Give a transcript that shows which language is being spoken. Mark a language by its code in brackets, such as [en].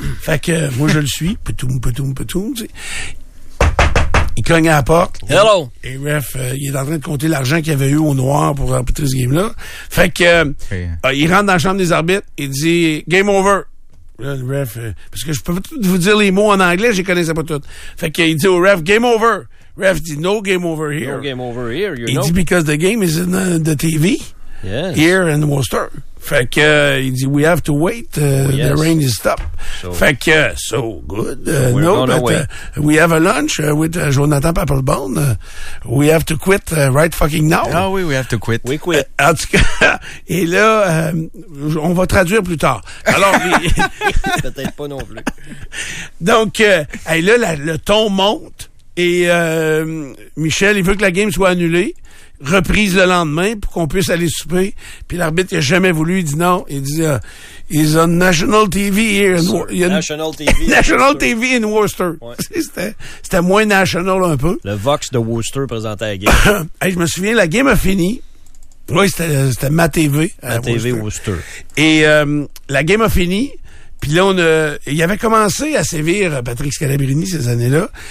[fr] Fait que moi, je le suis. Petoum, tu sais. Il cogne à la porte. [en] Hello! [fr] Et ref, il est en train de compter l'argent qu'il avait eu au noir pour remporter ce game-là. Fait que il rentre dans la chambre des arbitres, il dit « Game over ». Là, le ref, parce que je peux pas vous dire les mots en anglais, je les connaissais pas toutes. Fait qu'il dit au ref, game over. [en] Ref dit, no game over here. No game over here. Il dit, because the game is in the TV. Yes. Here in Worcester. Fait que, il dit, we have to wait. The rain is stopped. Fait que, so good. We have a lunch with Jonathan Papelbon. We have to quit right fucking now. Ah oui, we have to quit. We quit. [fr] En tout cas, et là, on va traduire plus tard. Alors, peut-être pas non plus. Donc, le ton monte et Michel, il veut que la game soit annulée. Reprise le lendemain pour qu'on puisse aller souper. Puis l'arbitre, il a jamais voulu. Il dit non. [en] Il dit, he's on national TV here. National TV in Worcester. [fr] Ouais. C'était moins national un peu. Le Vox de Worcester présentait la game. Hey, je me souviens, la game a fini. Oui, c'était Ma TV. Ma TV Worcester. Et la game a fini. Puis là, il avait commencé à sévir Patrick Scalabrini ces années-là.